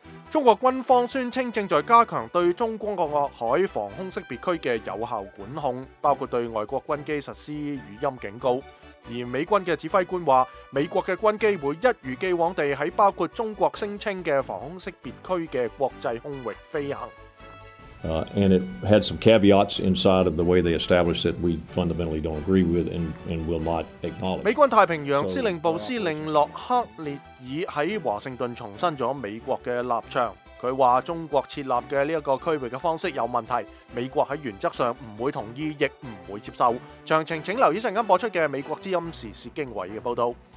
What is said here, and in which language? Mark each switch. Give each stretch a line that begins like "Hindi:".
Chinese: 中国军方宣称正在加强对中国渤海防空识别区的有效管控，包括对外国军机实施语音警告。而美军的指挥官说，美国的军机会一如既往地在包括中国声称的防空识别区的国际空域飞行。
English: And it had some caveats inside of the way they established it we fundamentally don't agree with and will not acknowledge.
Chinese: 美军太平洋司令部司令洛克列尔在华盛顿重申了美国的立场。他说中国设立的这个区域的方式有问题，美国在原则上不会同意亦不会接受。详情请留意稍后播出的美国之音时事经纬的报道。